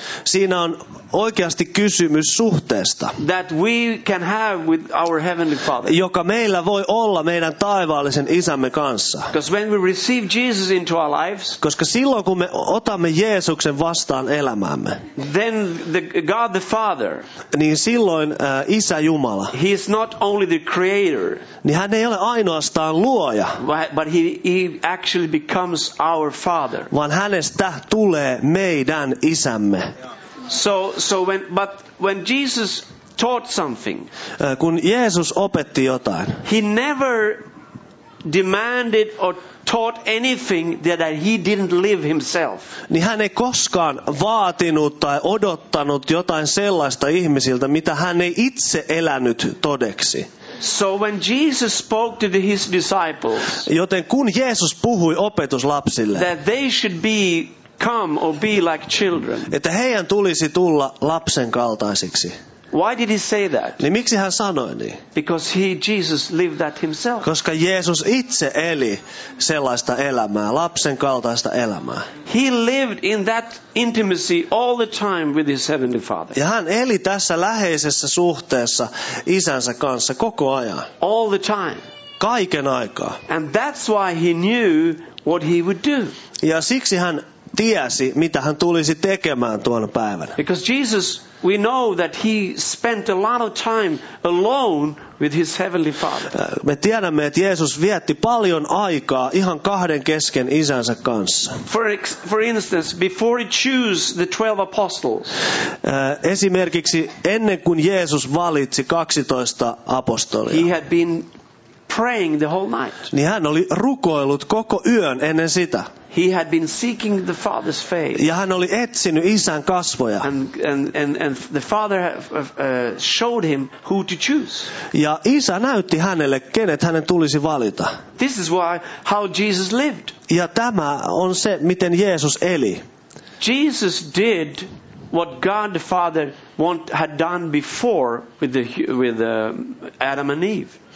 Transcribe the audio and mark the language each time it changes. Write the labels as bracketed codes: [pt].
[fi] Siinä on oikeasti kysymys suhteesta. [en] That we can have with our heavenly Father. [fi] Joka meillä voi olla meidän taivaallisen isämme kanssa. [en] Because when we receive Jesus into our lives, [fi] koska silloin kun me otamme Jeesuksen vastaan elämäämme, [en] then the God the Father, [fi] niin silloin isä Jumala, [en] he is not only the creator, [fi] niin hän ei ole ainoastaan luoja, [en] but he actually becomes our Father. [fi] Vaan hänestä tulee meidän isämme. [en] So when Jesus taught something, [fi] kun Jeesus opetti jotain, [en] he never demanded or taught anything that he didn't live himself. [fi] Niin hän ei koskaan vaatinut tai odottanut jotain sellaista ihmisiltä, mitä hän ei itse elänyt todeksi. [en] So when Jesus spoke to his disciples, [fi] joten kun Jeesus puhui opetuslapsille, [en] that they should be come or be like children, [fi] että heidän tulisi tulla lapsen kaltaisiksi. [en] Why did he say that? [fi] Niin miksi hän sanoi niin? [en] Because Jesus lived that himself. [fi] Koska Jeesus itse eli sellaista elämää, lapsen kaltaista elämää. [en] He lived in that intimacy all the time with his heavenly Father. [fi] Ja hän eli tässä läheisessä suhteessa isänsä kanssa koko ajan. [en] All the time. [fi] Kaiken aikaa. [en] And that's why he knew what he would do. [fi] Ja siksi hän tiesi, mitä hän tulisi tekemään tuon päivän. [en] Because Jesus, we know that he spent a lot of time alone with his heavenly Father. [fi] Me tiedämme, että Jeesus vietti paljon aikaa ihan kahden kesken isänsä kanssa. [en] For instance, before he chose the 12 apostles. [fi] Esimerkiksi ennen kuin Jeesus valitsi 12 apostolia. [en] He had been praying the whole night. [fi] Niin hän oli rukoillut koko yön ennen sitä. [en] He had been seeking the Father's face. [fi] Ja hän oli etsinyt isän kasvoja. [en] And the Father showed him who to choose. [fi] Ja isä näytti hänelle, kenet hänen tulisi valita. [en] This is why how Jesus lived. [fi] Ja tämä on se, miten Jeesus eli. [en] Jesus did what God the Father had done before with Adam and Eve.